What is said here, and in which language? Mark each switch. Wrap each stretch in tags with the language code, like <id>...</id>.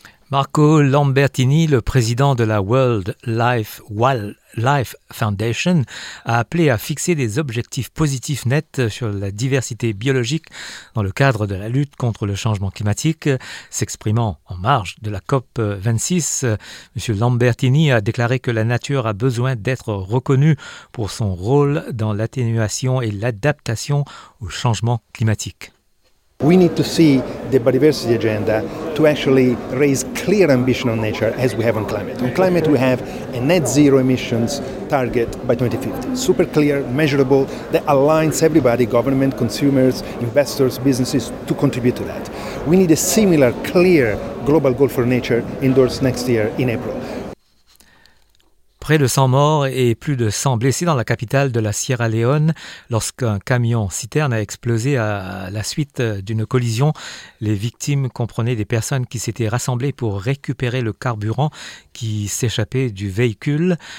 <fr>Marco Lambertini, le président de la World Life Foundation, a appelé à fixer des objectifs positifs nets sur la diversité biologique dans le cadre de la lutte contre le changement climatique. S'exprimant en marge de la COP26, M. Lambertini a déclaré que la nature a besoin d'être reconnue pour son rôle dans l'atténuation et l'adaptation au changement climatique.</fr> <en>We need to see the biodiversity agenda to actually raise clear ambition on nature as we have on climate. On climate, we have a net zero emissions target by 2050. Super clear, measurable, that aligns everybody, government, consumers, investors, businesses, to contribute to that. We need a similar, clear global goal for nature endorsed next year in April.</en> <fr>Près de 100 morts et plus de 100 blessés dans la capitale de la Sierra Leone lorsqu'un camion-citerne a explosé à la suite d'une collision. Les victimes comprenaient des personnes qui s'étaient rassemblées pour récupérer le carburant qui s'échappait du véhicule.</fr>